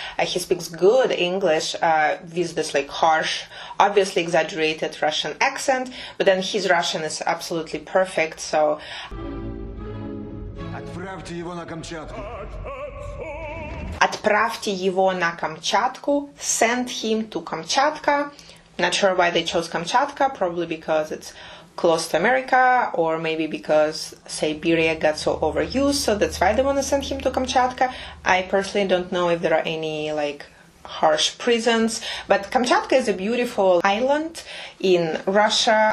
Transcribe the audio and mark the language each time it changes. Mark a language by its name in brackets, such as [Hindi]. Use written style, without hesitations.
[English] He speaks good English with this like harsh, obviously exaggerated Russian accent. But then his Russian is absolutely perfect, so... [Russian] Отправьте его на Камчатку. [English] Send him to Камчатка. Not sure why they chose Камчатка. Probably because it's close to America, or maybe because Siberia got so overused. So that's why they want to send him to Камчатка. I personally don't know if there are any like harsh prisons, but Камчатка is a beautiful island in Russia.